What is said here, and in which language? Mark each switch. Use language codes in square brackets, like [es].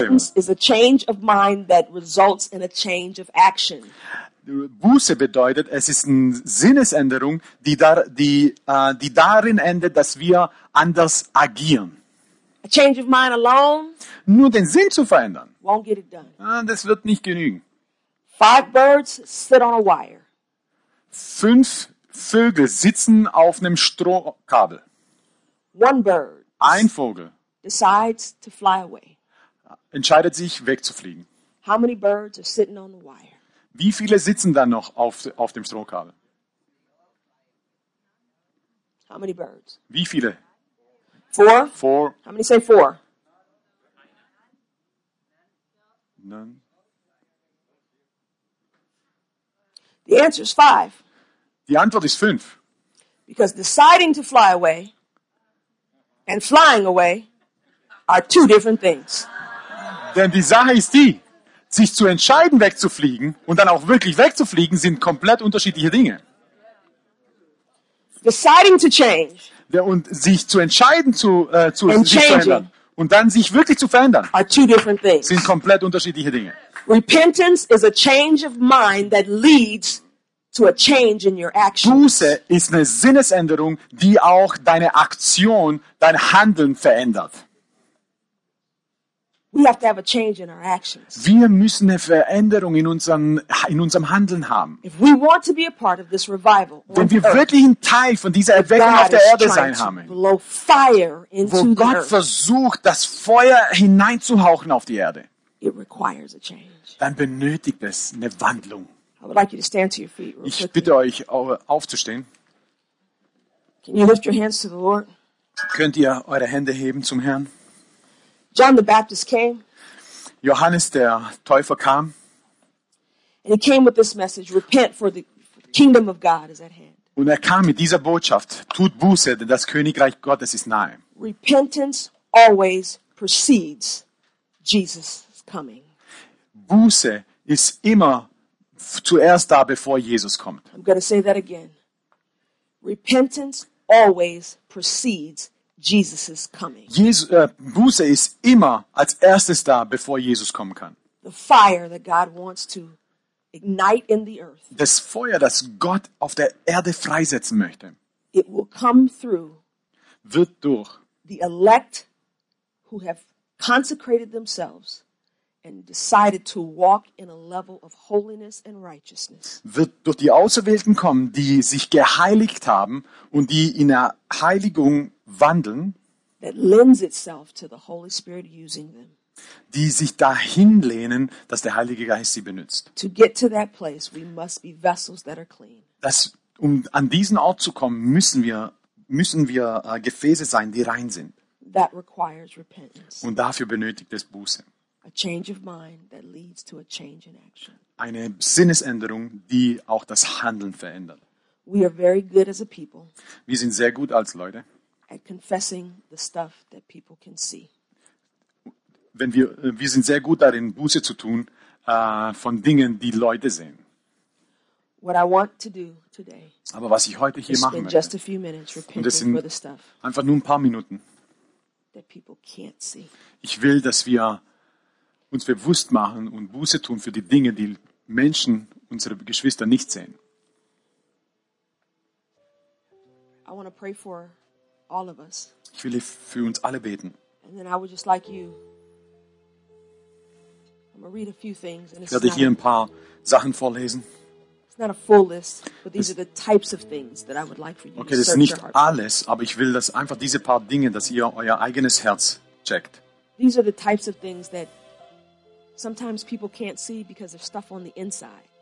[en] Repentance is a change of mind that results in a change of action. [de] Buße bedeutet, es ist eine Sinnesänderung, die darin endet, dass wir anders agieren. [en] A change of mind alone. [de] Nur den Sinn zu verändern. [en] Won't get it done. [de] Das wird nicht genügen. [en] Five birds sit on a wire. [de] Fünf Vögel sitzen auf einem Strohkabel. [en] One bird. [de] Ein Vogel. [en] Decides to fly away. [de] Entscheidet sich, wegzufliegen. [en] How many birds are sitting on the wire? [de] Wie viele sitzen da noch auf dem Strohkabel? [en] How many birds? [de] Wie viele? [en] Four. Four. How many say four? None. The answer is five. [de] Die Antwort ist fünf. [en] Because deciding to fly away and flying away are two different things. [de] Denn die Sache ist die. Sich zu entscheiden, wegzufliegen und dann auch wirklich wegzufliegen, sind komplett unterschiedliche Dinge. [en] Deciding to change. [de] Ja, und sich zu entscheiden, sich zu verändern und dann sich wirklich zu verändern, [en] are two different things. [de] Sind komplett unterschiedliche Dinge. [en] Repentance is a change of mind that leads to a change in your actions. [de] Buße ist eine Sinnesänderung, die auch deine Aktion, dein Handeln verändert. [en] We have to have a change in our actions. [de] Wir müssen eine Veränderung in unserem Handeln haben. [en] If we want to be a part of this revival, [de] wenn wir wirklich ein Teil von dieser Erweckung auf der Erde sein haben, [en] blow fire into [de] wo Gott [en] the [de] versucht, das Feuer hineinzuhauchen auf die Erde, [en] it requires a change. [de] Dann benötigt es eine Wandlung. [en] I would like you to stand to your feet real [de] ich bitte euch, aufzustehen. [en] Can you lift your hands to the Lord? [de] Könnt ihr eure Hände heben zum Herrn? [en] John the Baptist came. [de] Johannes der Täufer kam. [en] And he came with this message, repent for the kingdom of God is at hand. [de] Und er kam mit dieser Botschaft, tut Buße, denn das Königreich Gottes ist nahe. [en] Repentance always precedes Jesus' coming. [de] Buße ist immer zuerst da, bevor Jesus kommt. [en] I'm going to say that again. Repentance always precedes Jesus is coming. [de] Buße ist immer als erstes da, bevor Jesus kommen kann. [en] The fire that God wants to ignite in the earth. [de] Das Feuer, das Gott auf der Erde freisetzen möchte. [en] It will come through. [de] Wird durch. [en] The elect who have consecrated themselves and decided to walk in a level of holiness and righteousness. [de] Wird durch die Auserwählten kommen, die sich geheiligt haben und die in der Heiligung wandeln, [en] that lends itself to the Holy Spirit using them, [de] die sich dahin lehnen, dass der Heilige Geist sie benutzt. [en] To get to that place, we must be vessels that are clean. [de] Das, um an diesen Ort zu kommen, müssen wir Gefäße sein, die rein sind. [en] That requires repentance. [de] Und dafür benötigt es Buße. [en] A change of mind that leads to a change in action. [de] Eine Sinnesänderung, die auch das Handeln verändert. [en] We are very good as a people. [de] Wir sind sehr gut als Leute. [en] At confessing the stuff that people can see. [de] Wir sind sehr gut darin, Buße zu tun von Dingen, die Leute sehen. [en] What I want to do today. [de] Aber was ich heute hier machen möchte, [en] sind for the stuff, [de] einfach nur ein paar Minuten. [en] That people can't see. [de] Ich will, dass wir uns bewusst machen und Buße tun für die Dinge, die Menschen, unsere Geschwister, nicht sehen. [en] I want to pray for all of us. [de] Ich will für uns alle beten. [en] And then I would just like you. I'm going to read a few things. [de] Ich werde hier ein paar Sachen vorlesen. [en] It's not a full list, but these are the types of things that I would like for you. [de] Okay, das ist nicht alles, aber ich will, dass einfach diese paar Dinge, dass ihr euer eigenes Herz checkt. [en] These are the types of things that sometimes people can't see because there's stuff on the inside.